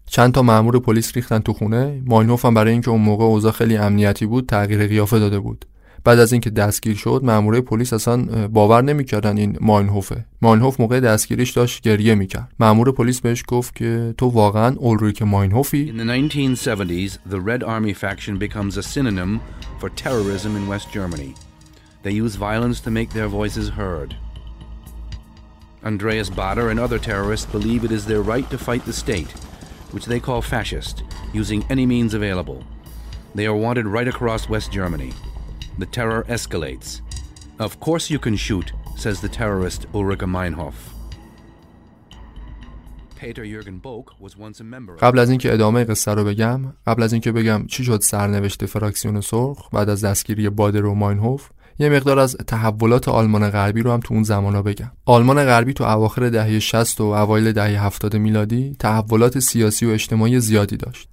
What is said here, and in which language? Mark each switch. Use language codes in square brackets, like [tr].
[fa] چند تا مامور پلیس ریختن تو خونه. ماینهوف هم برای اینکه اون موقع اوضاع خیلی امنیتی بود تغییر قیافه داده بود. بعد از اینکه دستگیر شد مامورای پلیس اصلا باور نمیکردن این ماینهوفه. ماینهوف موقع دستگیریش داشت گریه میکرد. مامور پلیس بهش گفت که تو واقعا اولریک ماینهوفی؟ [en] In the 1970s the Red Army faction becomes a synonym for terrorism in West Germany. They use violence to make their voices heard. Andreas Baader and other terrorists believe it is their right to fight the state, which they call fascist, using any means available. They are wanted right across West Germany. The terror escalates. Of course you can shoot, says the terrorist Ulrike Meinhof. Peter Jurgen Boock was once a member. [fa] قبل از اینکه ادامه قصه رو بگم، قبل از اینکه بگم چی شد سرنوشت فراکسیون سرخ بعد از دستگیری بادر و ماینهوف، یه مقدار از تحولات آلمان غربی رو هم تو اون زمانا بگم. آلمان غربی تو اواخر دهه 60 و اوایل دهه 70 میلادی تحولات سیاسی و اجتماعی زیادی داشت.